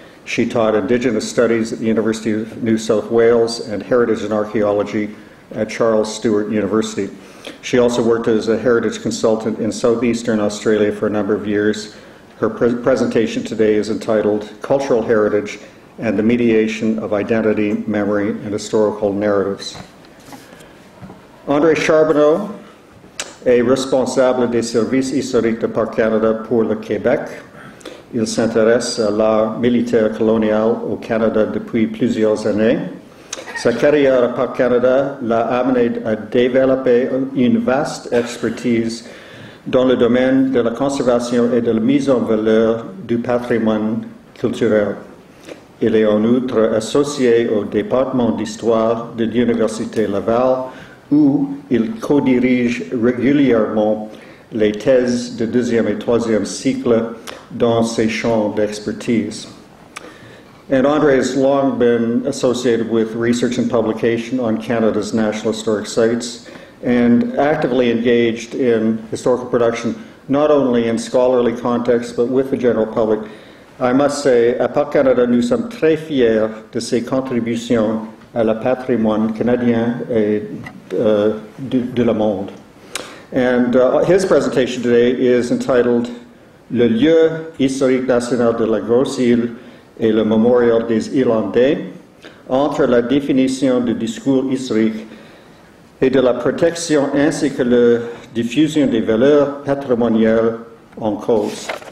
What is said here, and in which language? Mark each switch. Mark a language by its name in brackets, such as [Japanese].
[English] She taught Indigenous studies at the University of New South Wales and heritage and archaeology at Charles Sturt University. She also worked as a heritage consultant in southeastern Australia for a number of years. Her presentation today is entitled Cultural Heritage and the Mediation of Identity, Memory, and Historical Narratives. [French] Andre Charbonneau est responsable des services historiques de Parc Canada pour le Québec. Il s'intéresse à l'art militaire colonial au Canada depuis plusieurs années. Sa carrière à Parc Canada l'a amené à développer une vaste expertise dans le domaine de la conservation et de la mise en valeur du patrimoine culturel. Il est en outre associé au département d'histoire de l'Université Laval, où il co-dirige régulièrement les thèses de deuxième et troisième cycle dans ses champs d'expertise. [English] And Andre has long been associated with research and publication on Canada's National Historic Sites and actively engaged in historical production, not only in scholarly context, but with the general public. I must say, [French] à Parc Canada, nous sommes très fiers de ses contributions à la patrimoine canadien et de le monde. [English] And his presentation today is entitled [French] Le lieu historique national de la Grosse Île et le mémorial des Irlandais, entre la définition du discours historique et de la protection ainsi que la diffusion des valeurs patrimoniales en cause.